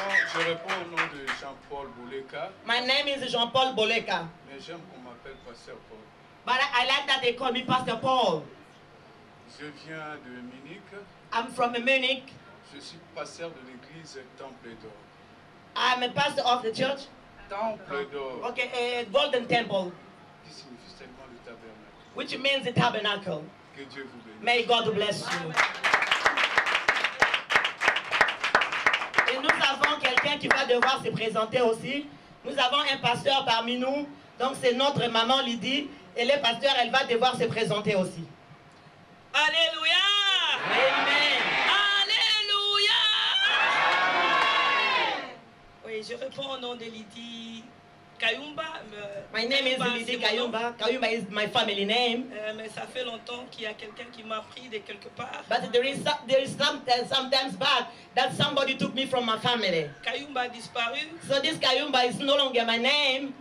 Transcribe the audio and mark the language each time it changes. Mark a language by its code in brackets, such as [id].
[fr] Je réponds au nom de Jean-Paul Boleka. [en] My name is Jean-Paul Boleka. [fr] Mais j'aime qu'on m'appelle Pasteur Paul. [en] But I like that they call me Pastor Paul. [fr] Je viens de Munich. [en] I'm from Munich. [fr] Je suis pasteur de l'église Temple d'Or. [en] I'm a pastor of the church. [fr] Temple d'Or. [en] Okay, Golden Temple. [fr] Qui signifie seulement le tabernacle. [en] Which means the tabernacle. [fr] Que Dieu vous bénisse. [en] May God bless you. [fr] Nous avons quelqu'un qui va devoir se présenter aussi. Nous avons un pasteur parmi nous. Donc c'est notre maman Lydie. Et le pasteur, elle va devoir se présenter aussi. Alléluia! Amen! Alléluia! Amen. Oui, je réponds au nom de Lydie Kayumba. [en] My name is Lydie Kayumba. Kayumba is my family name. [fr] Mais ça fait longtemps qu'il y a quelqu'un qui m'a pris de quelque part. [en] But there is sometimes bad that somebody took me from my family. [fr] Kayumba a disparu. [en] So this Kayumba is no longer my name.